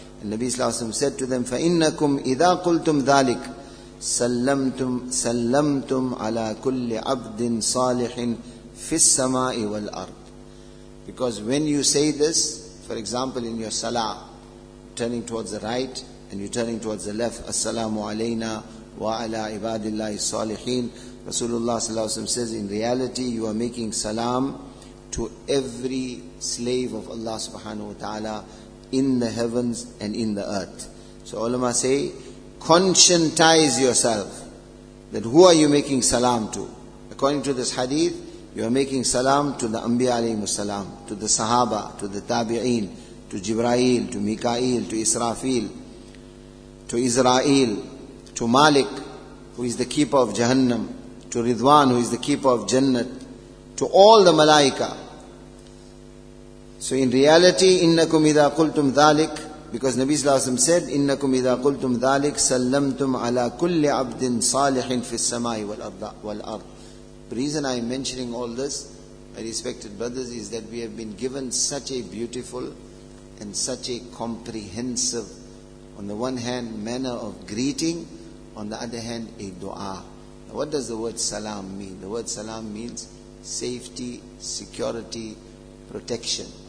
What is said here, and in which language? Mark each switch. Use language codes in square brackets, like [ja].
[en] And Nabi sallallahu alayhi wa sallam said to them, [ar] فَإِنَّكُمْ إِذَا قُلْتُمْ ذَلِكَ سَلَّمْتُمْ عَلَىٰ كُلِّ عَبْدٍ صَالِحٍ فِي السَّمَاءِ وَالْأَرْضِ. [en] Because when you say this, for example in your salah, turning towards the right and you're turning towards the left, [ar] السَّلَامُ عَلَيْنَا وَعَلَىٰ عِبَادِ اللَّهِ الصَّالِحِينَ, [en] Rasulullah sallallahu alayhi wa sallam says, in reality, you are making salam to every slave of Allah subhanahu wa ta'ala in the heavens and in the earth. So ulama say, conscientize yourself that who are you making salam to? According to this hadith, you are making salam to the Anbiya alayhimu salam, to the Sahaba, to the Tabi'een, to Jibreel, to Mikael, to Israfil, to Israel, to Malik, who is the keeper of Jahannam, to Ridwan, who is the keeper of Jannat, to all the Malaika. So in reality, [ar] إِنَّكُمْ إِذَا قُلْتُمْ ذَلِكَ, [en] because Nabi Sallallahu Alaihi Wasallam said, [ar] إِنَّكُمْ إِذَا قُلْتُمْ ذَلِكَ سَلَّمْتُمْ عَلَىٰ كُلِّ عَبْدٍ صَالِحٍ فِي السَّمَاءِ وَالْأَرْضِ. [en] The reason I am mentioning all this, my respected brothers, is that we have been given such a beautiful and such a comprehensive, on the one hand, manner of greeting, on the other hand, a dua. What does the word salam mean? The word salam means safety, security, protection.